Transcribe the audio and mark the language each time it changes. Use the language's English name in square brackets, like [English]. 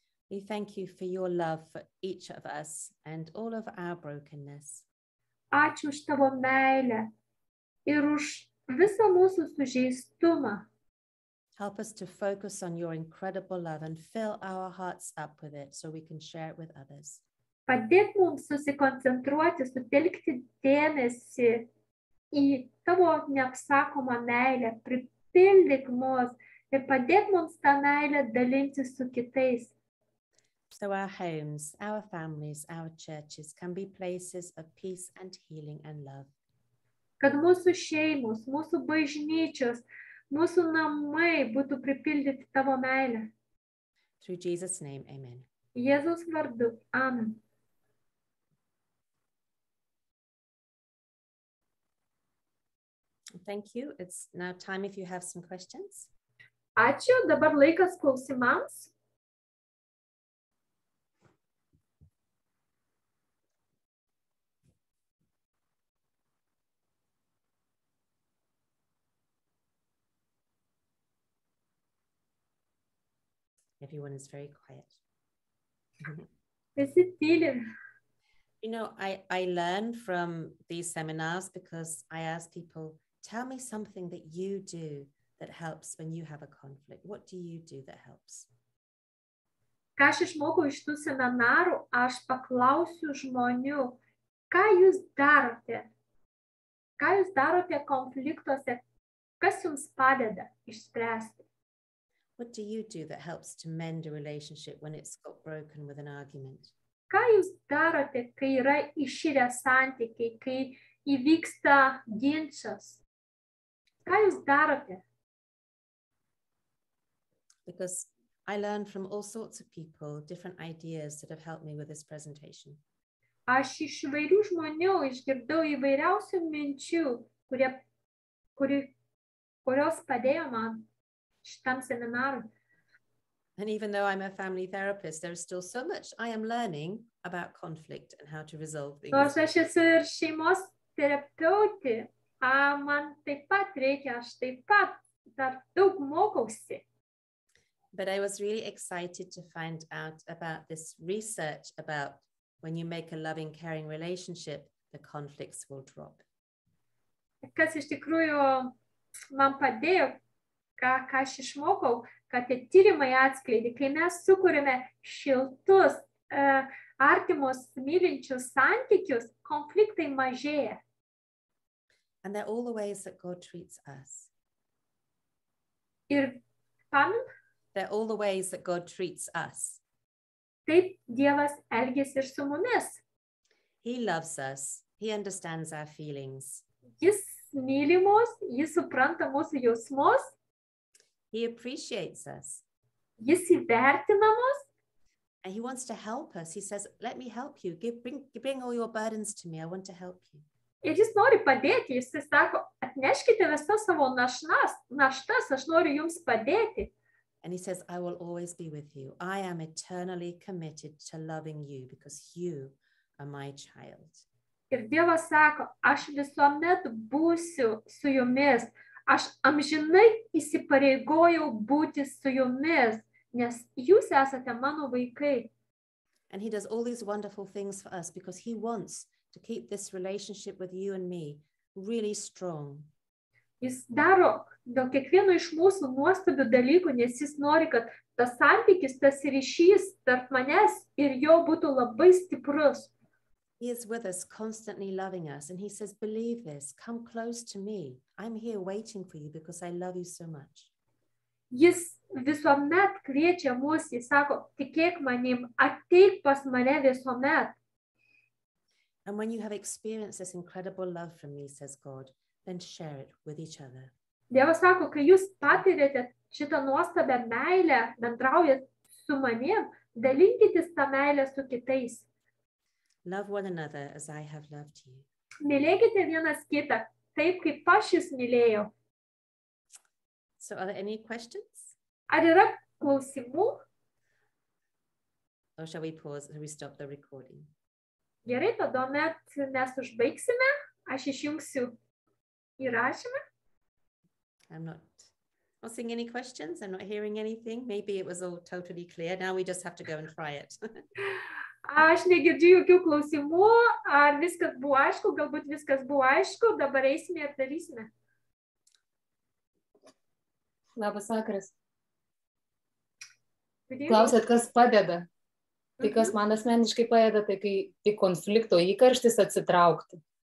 [English] We thank you for your love for each of us and all of our brokenness. [Lithuanian] Ačiū už tavo meilę ir už visą mūsų sužeistumą. [English] Help us to focus on your incredible love and fill our hearts up with it so we can share it with others. [Lithuanian] Padėk mums susikoncentruoti, sutelkti dėmesį į tavo neapsakomą meilę, pripildyk mus ir padėk mums tą meilę dalintis su kitais. [English] So our homes, our families, our churches can be places of peace and healing and love. [Lithuanian] Kad mūsų šeimos, mūsų bažnyčios, mūsų namai būtų pripildyti tavo meilę. [English] Through Jesus' name, amen. [Lithuanian] Jėzus vardu, amen. [English] Thank you. It's now time if you have some questions. [Lithuanian] Ačiū, dabar laikas klausimams. [English] Everyone is very quiet. [Lithuanian] Visi tyli. [English] You know, I learn from these seminars because I ask people, tell me something that you do that helps when you have a conflict. What do you do that helps? [Lithuanian] Ką aš išmokau iš tų seminarų, aš paklausiu žmonių, ką jūs darote? Ką jūs darote konfliktuose? Kas jums padeda išspręsti? [English] What do you do that helps to mend a relationship when it's got broken with an argument? [Lithuanian] Ką jūs darote, kai yra iširę santykiai, kai įvyksta ginčas? Ką jūs darote? [English] Because I learn from all sorts of people different ideas that have helped me with this presentation. [Lithuanian] Aš iš įvairių žmonių išgirdau įvairiausių minčių, kurios padėjo man. [English] And even though I'm a family therapist, there is still so much I am learning about conflict and how to resolve things. [Lithuanian] Nors aš esu ir šeimos terapeutė, man taip pat reikia, aš taip pat dar daug mokausi. [English] But I was really excited to find out about this research about when you make a loving, caring relationship, the conflicts will drop. [Lithuanian] Kas iš tikrųjų man padėjo, ką aš išmokau, kad tie tyrimai atskleidė, kai mes sukūrėme šiltus, artimus, mylinčius santykius, konfliktai mažėja. [English] And they're all the ways that God treats us. [Lithuanian] Ir pam? [English] They're all the ways that God treats us. [Lithuanian] Taip Dievas elgiasi ir su mumis. [English] He loves us. He understands our feelings. [Lithuanian] Jis myli mus, jis supranta mūsų jausmus. [English] He appreciates us. [Lithuanian] Jis įvertina mus. [English] And he wants to help us. He says, let me help you. Bring all your burdens to me. I want to help you. [Lithuanian] Ir jis nori padėti. Jis sako, atneškite visas savo naštas. Aš noriu jums padėti. [English] And he says, I will always be with you. I am eternally committed to loving you because you are my child. [Lithuanian] Ir Dievas sako, aš visuomet būsiu su jumis. Aš amžinai įsipareigojau būti su jumis, nes jūs esate mano vaikai. [English] And he does all these wonderful things for us because he wants to keep this relationship with you and me really strong. [Lithuanian] Jis daro dėl kiekvieno iš mūsų nuostabių dalykų, nes jis nori, kad tas santykis, tas ryšys tarp manęs ir jo būtų labai stiprus. [English] He is with us, constantly loving us. And he says, believe this, come close to me. I'm here waiting for you because I love you so much. [Lithuanian] Jis visuomet kviečia mus, jis sako, tikėk manim, ateik pas mane visuomet. [English] And when you have experienced this incredible love from me, says God, then share it with each other. [Lithuanian] Dievas sako, kai jūs patirėte šitą nuostabią meilę, bendraujat su manim, dalinkitės tą meilę su kitais. [English] Love one another as I have loved you. [Lithuanian] Mylėkite vienas kitą, taip kaip aš jus mylėjau. [English] So are there any questions? [Lithuanian] Ar yra klausimų? [English] Or shall we pause, shall we stop the recording? [Lithuanian] Gerai, tada met mes užbaigsime. Aš išjungsiu įrašymą. [English] I'm not seeing any questions. I'm not hearing anything. Maybe it was all totally clear. Now we just have to go and try it. [Lithuanian] Aš negirdžiu jokių klausimų. Ar viskas buvo aišku? Galbūt viskas buvo aišku. Dabar eisime ir darysime. Labas vakaras. Klausėt, kas padeda. Tai kas man asmeniškai padeda, tai kai tik konflikto įkarštis atsitraukti.